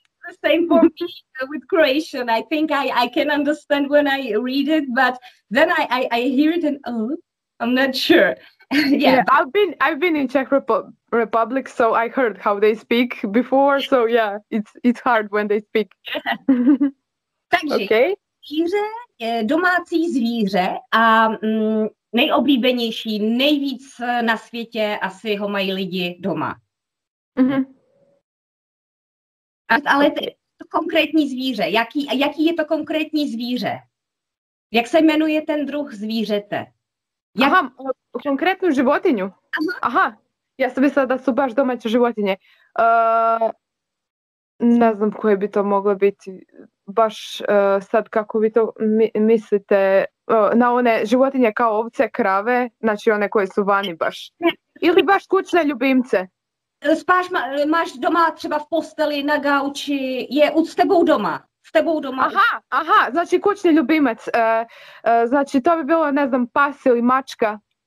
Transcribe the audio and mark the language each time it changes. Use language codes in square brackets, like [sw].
[en] It's the same for me with Croatian. I think I can understand when I read it, but then I hear it and I'm not sure. Yeah, I've been in Czech Republic, so I heard how they speak before. So yeah, it's hard when they speak. [cs] Takže zvíře je domácí zvíře a nejoblíbenější, nejvíc na světě asi ho mají lidi doma. Mm-hmm. Ale to konkrétní zvíře. Jaký je to konkrétní zvíře? Jak se jmenuje ten druh zvířete? [hr] Aha, konkrétnu životinu. Aha, [cs] já jsem myslela, [hr] da jsou baš domaće životinje. Ne znam koje bi to moglo biti, baš sad kako vi to mislite, na one životinje kao ovce, krave, znači one koje su vani baš. Ili baš kućne ljubimce. [cs] Spáš, máš doma třeba v posteli, na gauči, je s tebou doma. [hr] Aha, znači kućni ljubimac. Znači to bi bilo, ne znam, pas ili mačka.